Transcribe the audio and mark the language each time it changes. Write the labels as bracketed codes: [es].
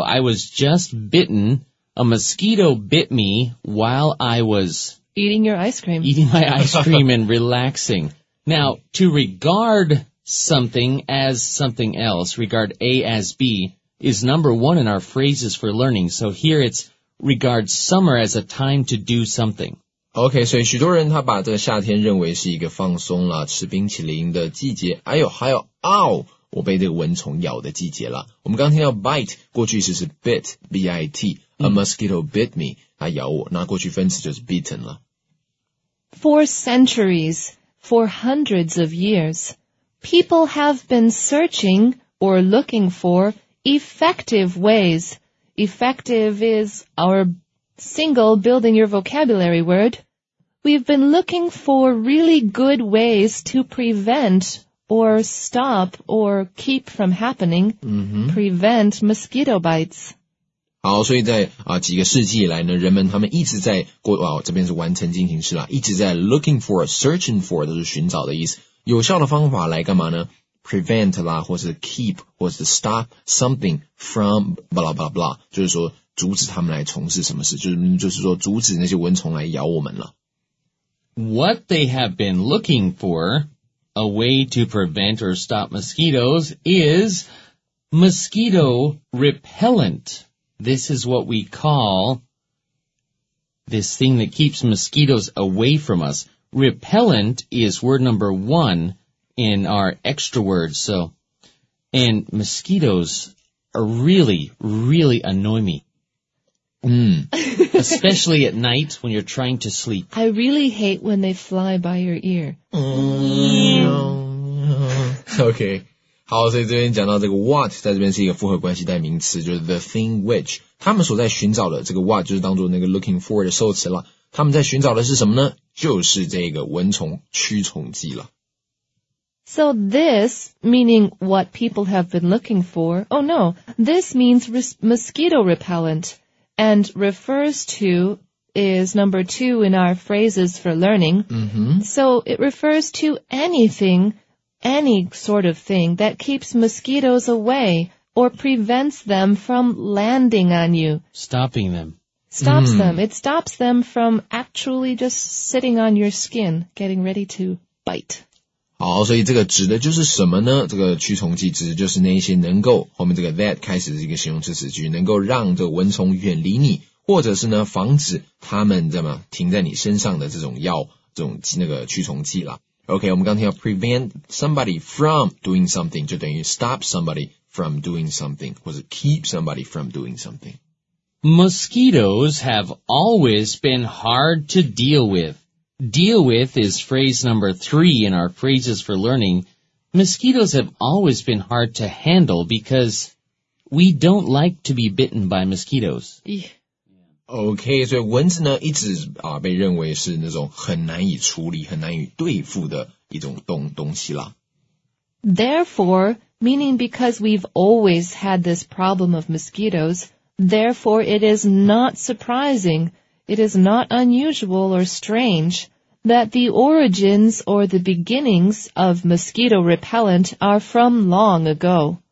[en] I was just bitten. A mosquito bit me while I was... Eating your ice cream. Eating my ice cream and relaxing. Now, to regard something as something else, regard A as B... is number one in our phrases for learning. So here it's regard summer as a time to do something. Okay, [zh] 所以许多人他把这个夏天认为是一个放松了吃冰淇淋的季节。哎呦还有嗷、哦、我被这个蚊虫咬的季节了。我们刚听到 bite, 过去式是 bit, B-I-T, [en] a mosquito bit me, [zh] 他咬我那过去分词就是 bitten 了。 [en] For centuries, for hundreds of years, people have been searching or looking foreffective ways. Effective is our single building your vocabulary word. We've been looking for really good ways to prevent or stop or keep from happening. Mm-hmm. Prevent mosquito bites. [zh] 好所以在、几个世纪以来呢人们他们一直在过、哦、这边是完成进行式啦一直在 [en] looking for, searching for, [zh] 都是寻找的意思。有效的方法来干嘛呢 [en] prevent [zh] 啦或是 [en] keep [zh] 或是 [en] stop something from blah blah blah [zh] 就是说阻止他们来从事什么事就是说阻止那些蚊虫来咬我们了 [en] What they have been looking for a way to prevent or stop mosquitoes is mosquito repellent. This is what we call this thing that keeps mosquitoes away from us. Repellent is word number one in our extra words. So, and mosquitoes are really, really annoy me. Especially at night when you're trying to sleep. I really hate when they fly by your ear. Okay. [zh] 好，所以这边讲到这个 what 在这边是一个复合关系代名词，就是 [en] the thing which [zh] 他们所在寻找的这个 what 就是当作那个 [en] looking for [zh] 的受词了。他们在寻找的是什么呢？就是这个蚊虫驱虫剂了。 [en] So this meaning what people have been looking for. Oh no, this means mosquito repellent and refers to is number two in our phrases for learning.、 Mm-hmm. So it refers to anything. Any sort of thing that keeps mosquitoes away or prevents them from landing on you. Stopping them. Stops、mm. them. It stops them from actually just sitting on your skin, getting ready to bite. [zh] 好，所以这个指的就是什么呢？这个驱虫剂指的就是那些能够，后面这个 that 开始是一个形容词词句，能够让这个蚊虫远离你，或者是呢，防止它们怎么停在你身上的这种药，这种那个驱虫剂啦。 [en] Okay, [zh] 我们刚才要 [en] prevent somebody from doing something, [zh] 就等于 [en] stop somebody from doing something, [zh] 或者 [en] keep somebody from doing something. Mosquitoes have always been hard to deal with. Deal with is phrase number three in our phrases for learning. Mosquitoes have always been hard to handle because we don't like to be bitten by mosquitoes. [zh] Okay, 所以蚊子呢一直啊被认为是那种很难以处理很难以对付的一种东西啦。 [en] Therefore, meaning because we've always had this problem of mosquitoes, therefore it is not surprising, it is not unusual or strange that the origins or the beginnings of mosquito repellent are from long ago.